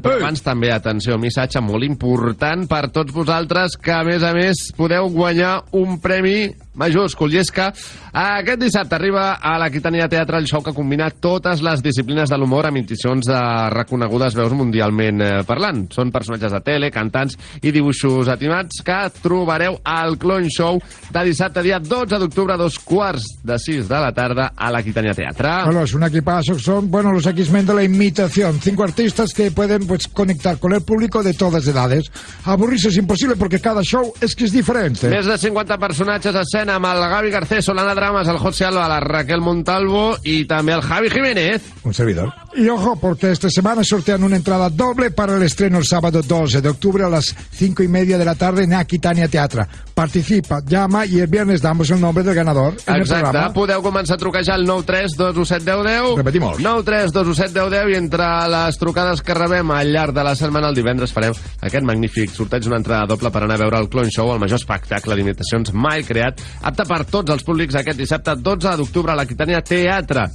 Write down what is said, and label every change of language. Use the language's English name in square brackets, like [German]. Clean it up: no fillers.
[Catalan] Però abans també, atenció, missatge molt important per tots vosaltres, que a més podeu guanyar un premi majúscul, i és que aquest dissabte arriba a l'Aquitania Teatre el show que combina totes les disciplines de l'humor amb emissions de reconegudes veus mundialment parlant. Són personatges de tele, cantants i dibuixos animats que trobareu al Clone Show de dissabte, dia 12 d'octubre, 5:45 de la tarda a la Aquitania Teatre. [Spanish] Bueno, es un equipazo, son, bueno, los X-Men de la imitación. 5 artistas que pueden, pues, conectar con el público de todas edades. Aburrirse es imposible porque cada show es que es diferente. [Catalan] Més de 50 personatges a escena amb el Gavi Garcés, Solana Dramas, el José Alba, la Raquel Montalvo i també el Javi Jiménez. [Spanish] Un servidor. Y ojo, porque esta semana sortean una entrada doble para el estreno el sábado 12 de octubre a las 5:30 de la tarde en Aquitania Teatre. Participa, llama y el viernes damos el nombre del ganador en [Catalan] exacte. El programa. Exacte, podeu començar a trucar ja al 932171010. Repetim-ho. 932171010 i entre les trucades que rebem al llarg de la setmana, el divendres farem aquest magnífic sorteig d'una entrada doble per anar a veure el Clone Show, el major espectacle d'imitacions mai creat, apte per tots els públics aquest dissabte 12 d'octubre a l'Aquitania Teatre.